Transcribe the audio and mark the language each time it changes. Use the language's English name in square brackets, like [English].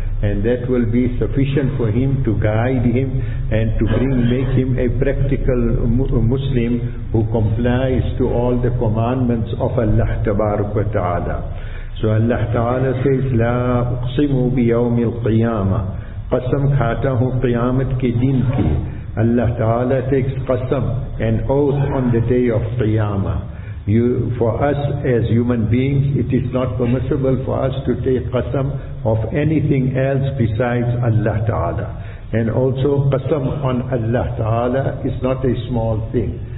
[English] And that will be sufficient for him to guide him and to make him a practical Muslim who complies to all the commandments of Allah Tabaraka wa Ta'ala. So Allah Ta'ala says, [Arabic] لا أقسم بيوم القيامة. [Urdu] قسم کھاتا ہوں قیامت کے دن کی. [English] Allah Ta'ala takes قسم, an oath on the day of قیامہ. For us as human beings, it is not permissible for us to take قسم of anything else besides Allah Ta'ala. And also قسم on Allah Ta'ala is not a small thing.